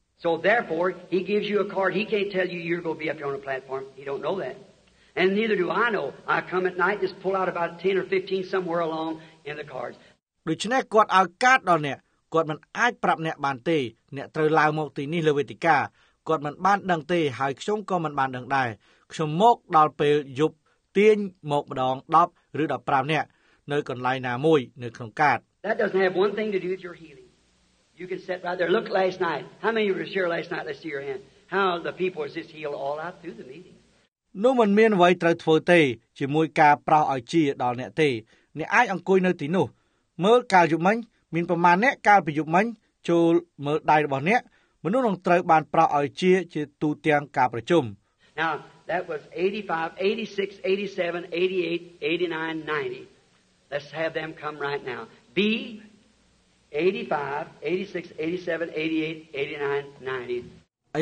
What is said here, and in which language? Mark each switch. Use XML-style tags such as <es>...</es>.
<en>So therefore he gives you a card he can't tell you you're going to be up on a platform he don't know thatAnd neither do I know. I come at night, just pull out about 10 or 15 somewhere along in the cards.</en> <km>ដូច្នេះគាត់ឲ្យកាតដល់អ្នកគាត់មិនអាចប្រាប់អ្នកបានទេអ្នកត្រូវឡើងមកទីនេះលើវេទិកាគាត់មិនបានដឹងទេហើយខ្ញុំក៏មិនបានដឹងដែរខ្ញុំមកដល់ពេលយប់ទាញមកម្ដង10ឬ15អ្នកនៅកន្លែងណាមួយនៅក្នុងកាត</km> <en>That doesn't have one thing to do with your healing. You can sit right there. Look last night. How many of you were here last night? Let's see your hand. How the people was just healed all out through the meeting.</en> <km>នោះមិនមានអ្វីត្រូវធ្វើទេជាមួយការប្រោះឲ្យជាដល់អ្នកទេអ្នកអាចអង្គុយនៅទីនោះមើលកាលយប់មិញមានប្រមាណអ្នកកាលពីយប់មិញចូលមើលដៃរបស់អ្នកមនុស្សនឹងត្រូវបានប្រោះឲ្យជាទូទាំងការប្រជុំ</km> <en>Now that was 85 86 87 88 89 90 Let's have them come right now B 85 86 87 88 89 90</en>